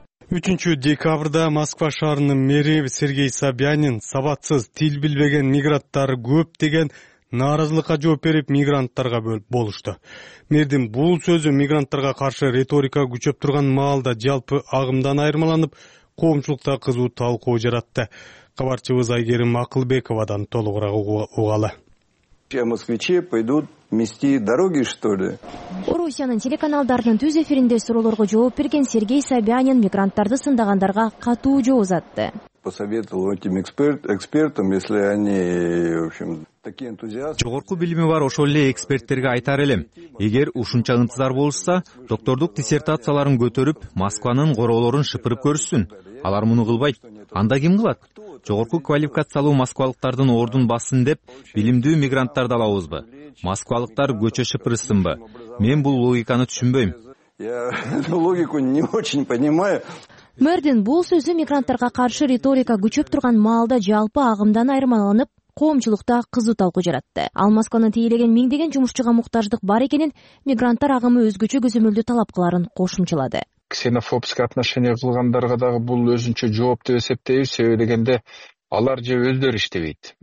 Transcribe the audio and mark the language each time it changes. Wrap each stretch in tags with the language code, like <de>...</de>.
<ky>Үчүнчү декабрда Москва шаарынын мэри Сергей Собянин сабатсыз, тил билбеген мигранттар көп деген нааразылыкка жооп берип мигранттарга болушту. Мэрдин бул сөзү мигранттарга каршы риторика күчөп турган маалда жалпы агымдан айырмаланып, коомчулукта кызуу талкуу жаратты. Кабарчыбыз Айгерим Акылбековадан толугураак угалы.</ky> <ru>Все москвичи пойдут мести дороги, что ли?</ru> <ky>Орусиянын телеканалдарынын түз эфиринде суроолорго жооп берген Сергей Собянин мигранттарды сындагандарга катуу жооп узатты.</ky> <ru>Посоветовал этим экспертам, если они, в общем,</ru> <ky>Жогорку билими бар ошол эле эксперттерге айтар элем. Эгер ушунча ынтызар болушса, доктордук диссертацияларын көтөрүп, Москванын короолорун шыпырып көрүшсүн. Алар муну кылбайт. Анда ким кылат? Жогорку квалификациялуу москвалыктардын ордун бассын деп, билимдүү мигранттарды алабызбы? Москвалыктар көчө шыпырысынбы? Мен бул логиканы түшүнбөйм.</ky> <ru>Я логику не очень понимаю.</ru> <ky>Мэрдин бул сөзү мигранттарга каршы риторика күчөп турган маалда жалпы агымдан айырмаланып, коомчулукта кызуу талкуу жаратты. Ал Москваны тийлеген миңдеген жумушчуга муктаждык бар экенин, мигранттар агымы өзгөчө көзөмөлдү талап кыларын кошумчалады.</ky> <ru>Ксенофобское отношение</ru> <ky>кылгандарга дагы бул өзүнчө жооп деп эсептейбиз, себеби дегенде алар же өздөрү иштебейт.</ky>